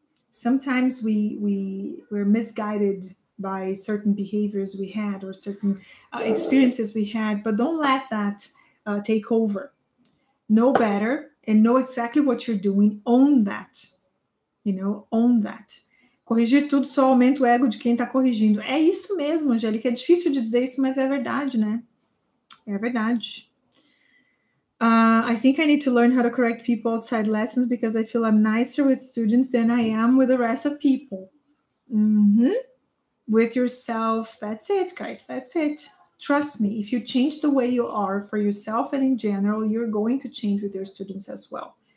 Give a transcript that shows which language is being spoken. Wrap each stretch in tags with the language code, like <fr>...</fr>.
<en>Sometimes we're misguided by certain behaviors we had or certain experiences we had, but don't let that take over. Know better and know exactly what you're doing. Own that. You know, own that.</en> <pt>Corrigir tudo só aumenta o ego de quem está corrigindo. É isso mesmo, Angélica. É difícil de dizer isso, mas é verdade, né? É verdade.</pt> <en>I think I need to learn how to correct people outside lessons because I feel I'm nicer with students than I am with the rest of people. Mm-hmm. With yourself. That's it, guys. That's it. Trust me. If you change the way you are for yourself and in general, you're going to change with your students as well.</en>